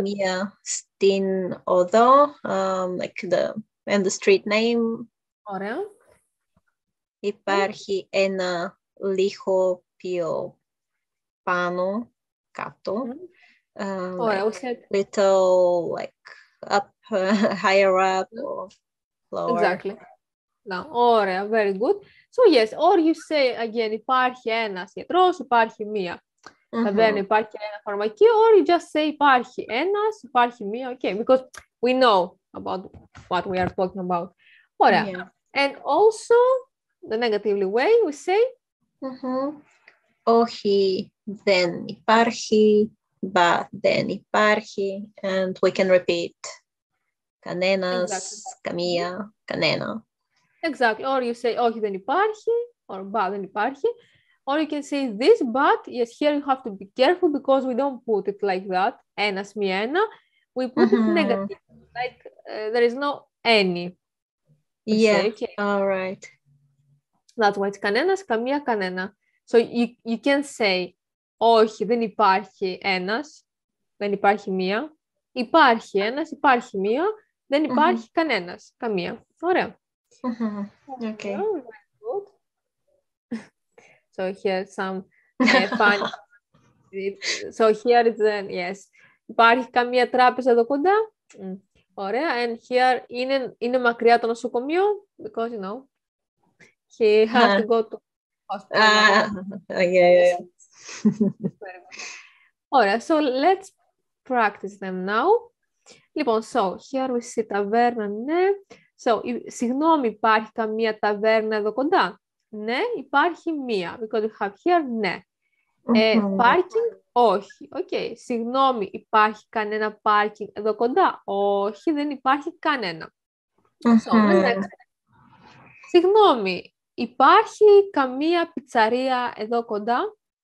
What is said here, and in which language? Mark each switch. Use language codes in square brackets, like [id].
[el] μία στην οδό, [en] like and the street name. [el] ναι, ωραία. Υπάρχει ένα λίγο πιο πάνω, κάτω, Ωραία, [en] like [el] ουσιαστικά. [en] little, like up, higher up or lower. Exactly. [el] Να, ωραία, [en] very good. So yes, or you say again, [el] υπάρχει ένας γιατρός, υπάρχει μία. Θα δεν υπάρχει ένα φαρμακείο, [en] or you just say [el] υπάρχει ένας, υπάρχει μία. [en] Okay, because we know about what we are talking about. [el] Ωραία. [en] And also, the negatively way, we say, [el] Όχι, δεν υπάρχει, μπα δεν υπάρχει, [en] and we can repeat. Exactly. [el] Κανένας, καμία, κανένα. [en] Exactly. Or you say, [el] όχι, δεν υπάρχει, [en] or [el] μπα, δεν υπάρχει. [en] or you can say this, but yes, here you have to be careful because we don't put it like that, [el] ένας μη ένα. [en] We put mm-hmm. it negative, like there is no any. Yeah, okay. All right. That's why it's [el] κανένας, καμία, κανένα. [en] So you can say, [el] όχι, δεν υπάρχει ένας, δεν υπάρχει μία. Υπάρχει ένας, υπάρχει μία, δεν υπάρχει mm-hmm. κανένας, καμία. Ωραία. [en] Mm-hmm. Okay. So here's some fun. So here is then, yes. [el] Υπάρχει καμία τράπεζα εδώ κοντά. Mm. Ωραία. [en] And here, [el] είναι μακριά το νοσοκομείο, [en] because, you know, he has huh. to go to hospital. Yeah. [el] Ωραία, [en] so let's practice them now. [el] Λοιπόν, [en] so here we see [el] ταβέρνα, ναι. So, συγγνώμη, υπάρχει καμία ταβέρνα εδώ κοντά. Ναι, υπάρχει μία, [en] because we have here, [el] ναι. Πάρκινγκ, mm-hmm. όχι. [en] Okay, [el] συγγνώμη, υπάρχει κανένα πάρκινγκ εδώ κοντά. Όχι, δεν υπάρχει κανένα. Mm-hmm. So, συγγνώμη, υπάρχει καμία πιτσαρία εδώ κοντά.